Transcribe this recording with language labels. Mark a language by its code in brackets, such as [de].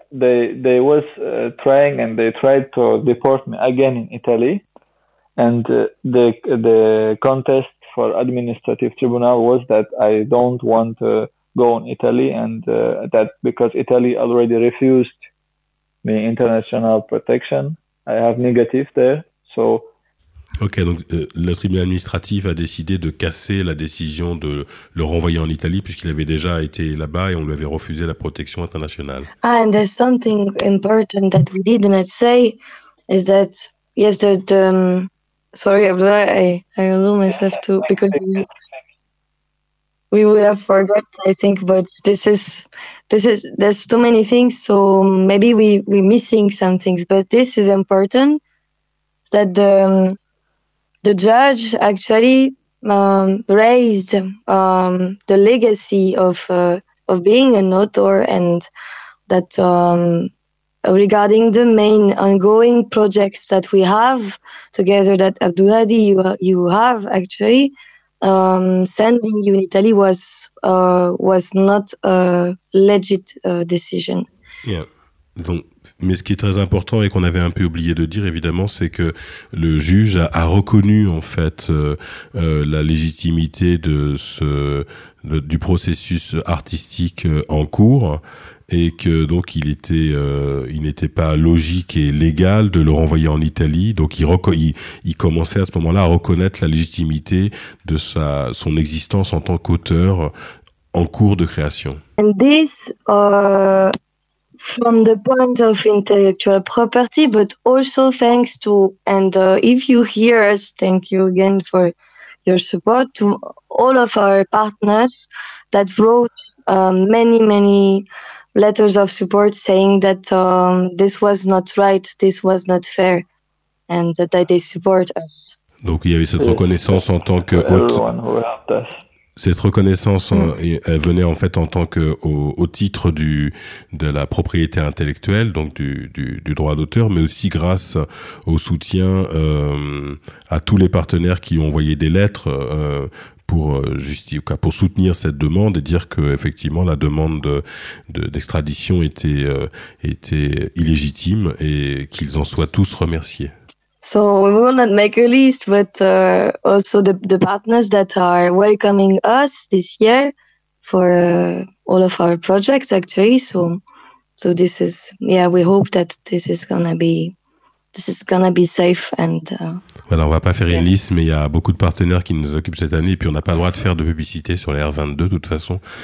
[en] They was trying, and they tried to deport me again in Italy, And the contest for administrative tribunal was that I don't want to go in Italy, and that because Italy already refused me international protection, I have negative there. So. [fr] Ok, donc le tribunal administratif a décidé de casser la décision de le renvoyer en Italie puisqu'il avait déjà été là-bas et on lui avait refusé la protection internationale. [en] Ah, and there's something important that we didn't say is that yes, that sorry, Abdullah, I lose myself too because we would have forgot, I think, but this is there's too many things, so maybe we missing some things, but this is important that the the judge actually raised the legacy of being an author, and that regarding the main ongoing projects that we have together, that Abdulhadi you have actually sending you in Italy was not a legit decision. Yeah. [fr] Donc, mais ce qui est très important et qu'on avait un peu oublié de dire, évidemment, c'est que le juge a reconnu, en fait, la légitimité du processus artistique en cours et que, donc, il n'était pas logique et légal de le renvoyer en Italie. Donc, il commençait à ce moment-là à reconnaître la légitimité de son existence en tant qu'auteur en cours de création. [en] And this, from the point of intellectual property, but also thanks to, and if you hear us, thank you again for your support, to all of our partners that wrote many, many letters of support saying that this was not right, this was not fair, and that they support us. [fr] Donc il y avait cette reconnaissance en tant que... Cette reconnaissance elle venait en fait en tant que au titre de la propriété intellectuelle, donc du droit d'auteur, mais aussi grâce au soutien à tous les partenaires qui ont envoyé des lettres pour soutenir cette demande et dire que effectivement la demande d'extradition était illégitime et qu'ils en soient tous remerciés. [en] So we will not make a list, but also the partners that are welcoming us this year for all of our projects, actually. So this is, yeah, we hope that this is gonna be safe. And [fr] voilà, on va pas faire une liste, mais il y a beaucoup de partenaires qui nous occupent cette année, et puis on n'a pas le droit de faire de publicité sur les R22 de toute façon.